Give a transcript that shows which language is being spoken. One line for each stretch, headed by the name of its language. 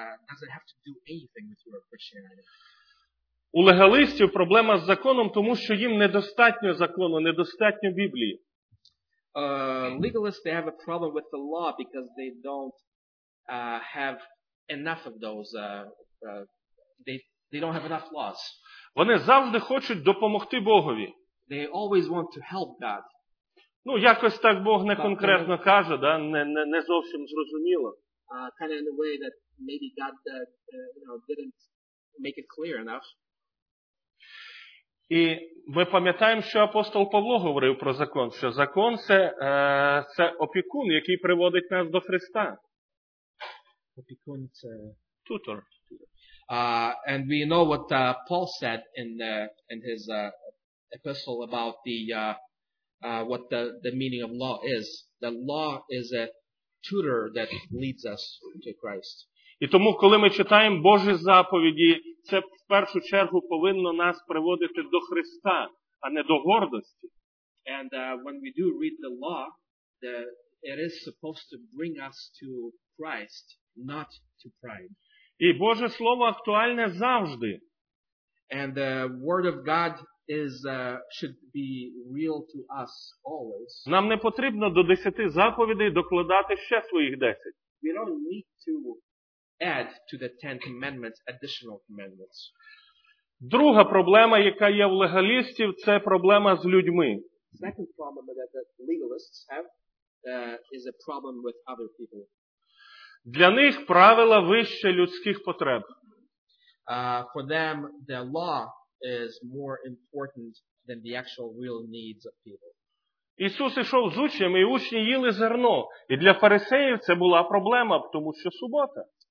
English: Doesn't have to do anything with your Christianity.
Ukrainian: У легалистів проблема з законом, тому що їм недостатньо закону, недостатньо Біблії.
English: Legalists, they have a problem with the law because they don't have enough of those they don't have enough laws.
Ukrainian: Вони завжди хочуть допомогти Богові.
English: They always want to help God.
Ukrainian: Ну, якось так Бог не конкретно каже, да, не зовсім зрозуміло.
English: Kind of in a way that maybe God didn't make it clear enough.
Ukrainian: І ми пам'ятаємо, що апостол Павло говорив про закон, що закон це опікун, який приводить нас до Христа. Опікун це
English: тутор. And we know what Paul said in his epistle about the what the meaning of law is. The law is a tutor that leads us to Christ.
Ukrainian: І тому, коли ми читаємо Божі заповіді, це в першу чергу повинно нас приводити до Христа, а не до гордості.
English: And when we do read the law, it is supposed to bring us to Christ, not to pride.
Ukrainian: І Боже слово актуальне завжди.
English: And the word of God is should be real to us always.
Ukrainian: Нам не потрібно до 10 заповідей докладати ще своїх 10.
English: We don't need to add to the 10 commandments additional commandments.
Ukrainian: Друга проблема, яка є в легалістів, це проблема з людьми.
English: Second problem that the legalists have is a problem with other people.
Ukrainian: Для них правила вище людських потреб.
English: For them the law is more important than the actual real needs of people.
Ukrainian: Ісус ішов з учнями, і учні їли зерно, і для фарисеїв це була проблема, тому що субота.